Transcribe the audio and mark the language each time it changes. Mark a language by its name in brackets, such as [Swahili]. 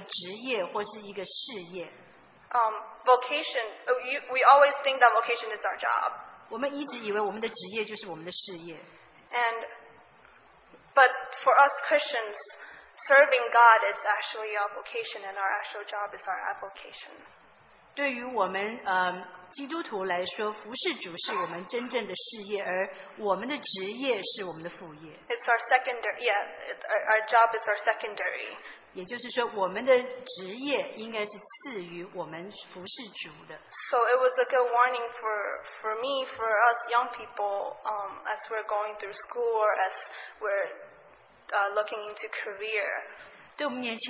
[Chinese] 那所以讲到，如果要服侍主，你想到一个职业或是一个事业。 [English] Vocation, we always think that vocation is our job. [Chinese] 我们一直以为我们的职业就是我们的事业。 [English] And, but for us Christians, serving God is actually our vocation, and our actual job is our avocation. [Chinese] 对于我们, 基督徒来说，服侍主是我们真正的事业，而我们的职业是我们的副业。 [English] It's our secondary, yeah. Our job is our secondary. [Chinese] 也就是说，我们的职业应该是赐予我们服侍主的。 [English] So it was a good warning for me, for us young people, as we're going through school or as we're looking into career.